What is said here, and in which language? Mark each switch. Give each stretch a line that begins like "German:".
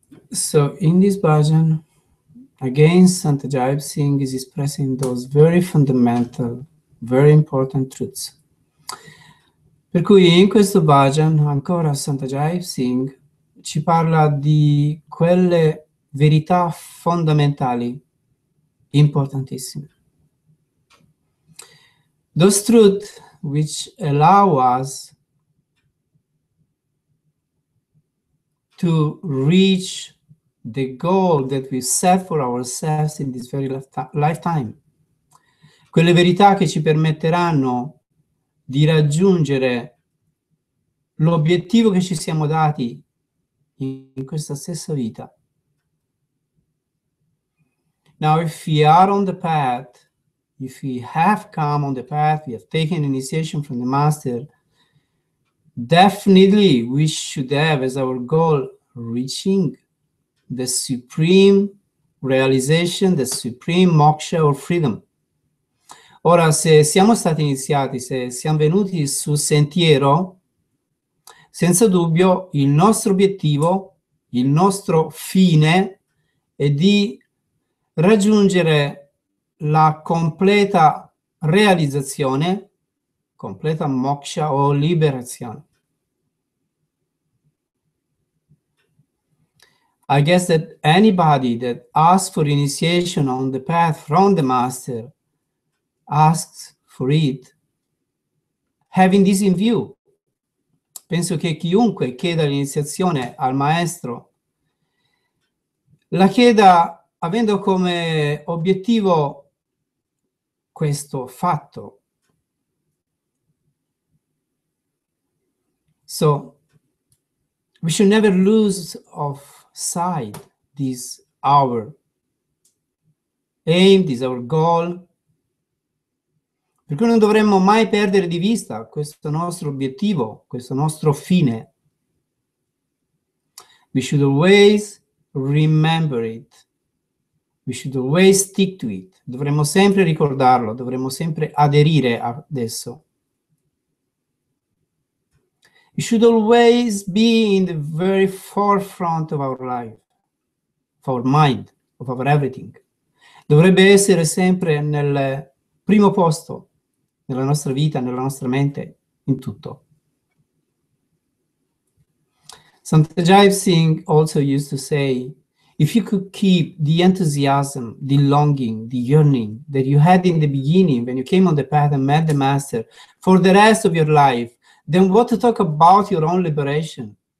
English: So in this bhajan, again, Sant Ajaib Singh is expressing those very fundamental, very important truths.
Italian: Per cui in questo bhajan, ancora Sant Ajaib Singh ci parla di quelle verità fondamentali, importantissime.
English: Those truths which allow us to reach the goal that we set for ourselves in this very lifetime.
Italian: Quelle verità che ci permetteranno di raggiungere l'obiettivo che ci siamo dati in questa stessa vita.
English: Now, if we are on the path, if we have come on the path, we have taken initiation from the master, definitely we should have as our goal reaching the supreme realization, the supreme moksha or freedom.
Italian: Ora, se siamo stati iniziati, se siamo venuti sul sentiero, senza dubbio il nostro obiettivo, il nostro fine è di raggiungere la completa realizzazione, completa moksha o liberazione.
English: I guess that anybody that asks for initiation on the path from the master asks for it, having this in view.
Italian: Penso che chiunque chieda l'iniziazione al maestro la chieda avendo come obiettivo questo fatto.
English: So, we should never lose of sight this our aim, this our goal.
Italian: Perché non dovremmo mai perdere di vista questo nostro obiettivo, questo nostro fine.
English: We should always remember it. We should always stick to it.
Italian: Dovremmo sempre ricordarlo, dovremmo sempre aderire ad esso.
English: We should always be in the very forefront of our life, of our mind, of our everything.
Italian: Dovrebbe essere sempre nel primo posto, nella nostra vita, nella nostra mente, in tutto.
English: Sant Ajaib Singh also used to say, if you could keep the enthusiasm, the longing, the yearning that you had in the beginning when you came on the path and met the master for the rest of your life, then what to talk about your own liberation?